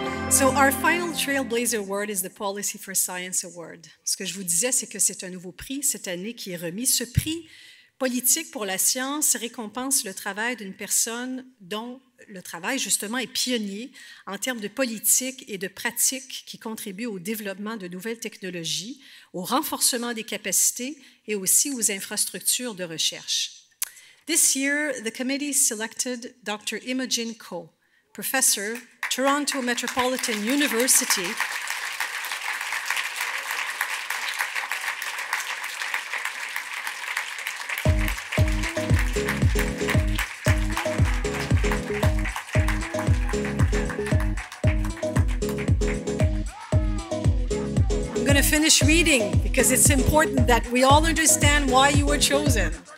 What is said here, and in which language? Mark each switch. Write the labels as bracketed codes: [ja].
[en] So our final Trailblazer Award is the Policy for Science Award. [fr] Ce que je vous disais, c'est que c'est un nouveau prix cette année qui est remis. Ce prix politique pour la science récompense le travail d'une personne dont le travail, justement, est pionnier en termes de politique et de pratiques qui contribuent au développement de nouvelles technologies, au renforcement des capacités et aussi aux infrastructures de recherche. [en] This year, the committee selected Dr. Imogen Ko, professor, Toronto Metropolitan University, finish reading because it's important that we all understand why you were chosen.